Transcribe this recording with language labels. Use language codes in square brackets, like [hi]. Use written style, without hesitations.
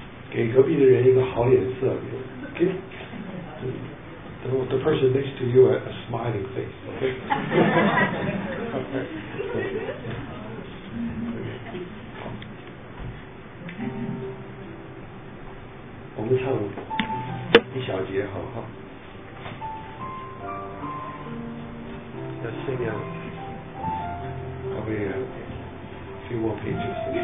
[zh] 给隔壁的人一个好脸色。 [en] Give the person next to you a smiling face, okay? [zh] 我们唱一小节好不好？要试一下，可不可以 [en] few more pages?